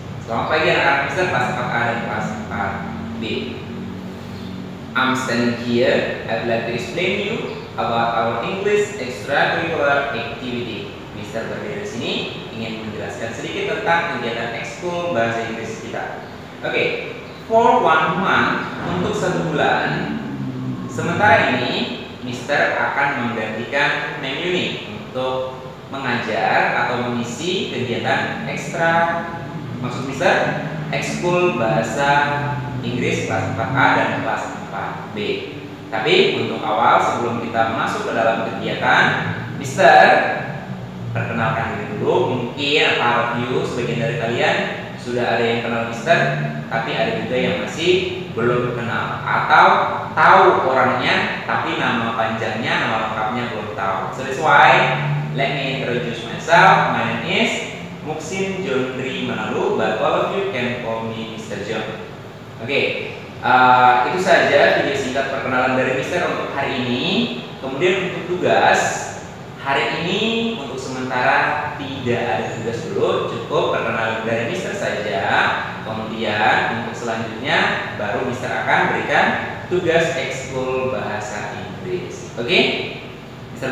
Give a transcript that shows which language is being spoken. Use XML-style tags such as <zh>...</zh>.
<id>Selamat pagi anak-anak Kristen kelas 4A dan kelas 4B.</id> <en>I'm standing here. I'd like to explain you about our English extracurricular activity. Mr.</en> <id>Berdiri di sini ingin menjelaskan sedikit tentang kegiatan ekskul bahasa Inggris kita.</id> <en>Okay, for one month,</en> <id>untuk satu bulan, sementara ini Mr. akan menggantikan Neng Yuni untuk mengajar atau mengisi kegiatan ekstra, maksud Mr. ekskul bahasa Inggris kelas 4A dan kelas 4B. Tapi untuk awal, sebelum kita masuk ke dalam kegiatan, Mr. perkenalkan diri dulu. Mungkin</id> <en>part of you,</en> <id>sebagian dari kalian sudah ada yang kenal Mr. tapi ada juga yang masih belum kenal atau tahu orangnya tapi nama panjangnya, nama lengkapnya belum tahu.</id> <en>So that's why, let me introduce myself. My name is Muksin Jondri Manalu, but all of you can call me Mr. John.</en> <id>Okay, itu saja video singkat perkenalan dari Mr. untuk hari ini. Kemudian untuk tugas hari ini, untuk sementara tidak ada tugas dulu, cukup perkenalan dari Mr. saja. Kemudian untuk selanjutnya baru Mr. akan berikan tugas ekskul bahasa Inggris. Oke? Mr.</id>